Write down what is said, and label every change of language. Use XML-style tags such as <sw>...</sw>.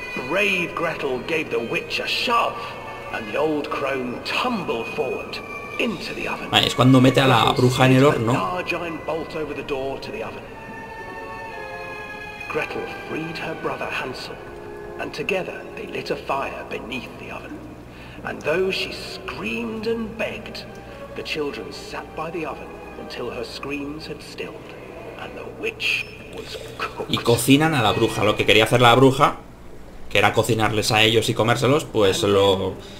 <en>Brave Gretel gave the witch a shove, and the old crone tumbled forward into the oven.</en> <es>Vale, es cuando mete a la bruja en el horno.</es> <en>A giant bolt over the door to the oven. Gretel freed her brother Hansel, and together they lit a fire beneath the oven. And though she screamed and begged, the children sat by the oven until her screams had stilled, and the witch was cooked.</en> <es>Y cocinan a la bruja. Lo que quería hacer la bruja, que era cocinarles a ellos y comérselos, pues lo...</es>